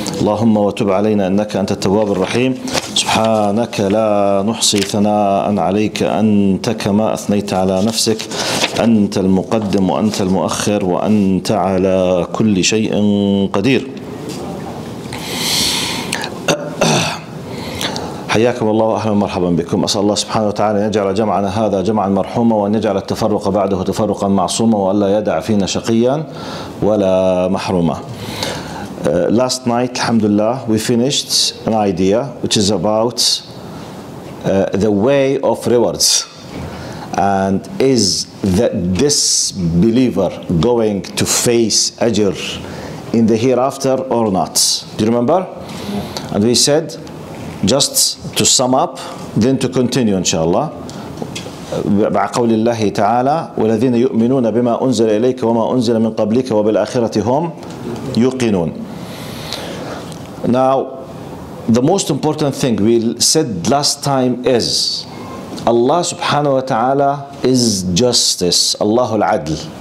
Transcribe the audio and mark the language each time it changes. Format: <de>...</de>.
<ar>اللهم وتب علينا إنك أنت التواب الرحيم. سبحانك لا نحصي ثناء عليك، أنت كما أثنيت على نفسك، أنت المقدم وأنت المؤخر وأنت على كل شيء قدير. حياكم الله وأهلا ومرحبا بكم. أسأل الله سبحانه وتعالى أن يجعل جمعنا هذا جمعا مرحوما، وأن يجعل التفرق بعده تفرقا معصوما، وأن لا يدع فينا شقيا ولا محروما.</ar> <en>Last night, alhamdulillah, we finished an idea which is about the way of rewards. And is that this believer going to face ajr in the hereafter or not? Do you remember? And we said, just to sum up, then to continue inshallah.</en> <ar>بقول الله تعالى والذين يؤمنون بما أنزل إليك وما أنزل من قبلك وبالآخرة هم يوقنون.</ar> <en>Now the most important thing we said last time is Allah subhanahu wa ta'ala is justice. Allah العدل.</en>